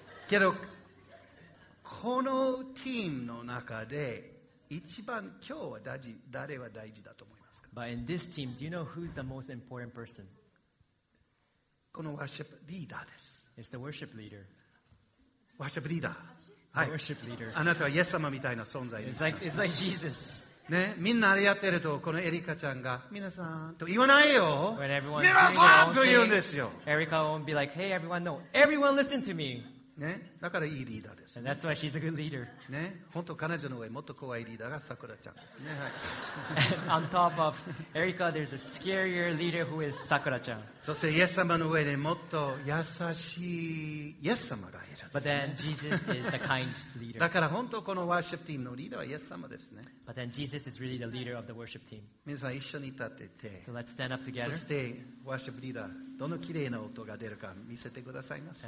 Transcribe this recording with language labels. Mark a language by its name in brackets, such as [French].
[Japanese] けどこのチームの中で一番今日は大事、誰は大事だと思いますか？ [English] But in this team, do you know who's the most important person? [Japanese] このワーシップリーダーです。 [English] It's the worship leader. [Japanese] ワーシップリーダー。 [English] はい。Worship leader. [Japanese] あなたはイエス様みたいな存在です。 [English] It's like Jesus. [Japanese] ね、みんなあれやってるとこのエリカちゃんが皆さんと言わないよ。 [English] When everyone [Japanese] 皆さんと言うんですよ。 [English] エリカ won't be like, hey everyone, no, everyone listen to me. [Japanese] ね、だからいいリーダーです。 [English] And that's why she's a good leader. [Japanese] ね、本当彼女の上もっと怖いリーダーがさくらちゃんですね。 [English] はい、on top of Erica, there's a scarier leader who is Sakura ちゃん。 [Japanese] そしてイエス様の上でもっと優しいイエス様がいる。 [English] But then Jesus is the kind leader. [Japanese] だから本当このワーシップチームのリーダーはイエス様ですね。 [English] But then Jesus is really the leader of the worship team. [Japanese] 皆さん一緒に立ってて。 [English] So let's stand up together. [Japanese] そしてワーシップリーダーどの綺麗な音が出るか見せてくださいますか。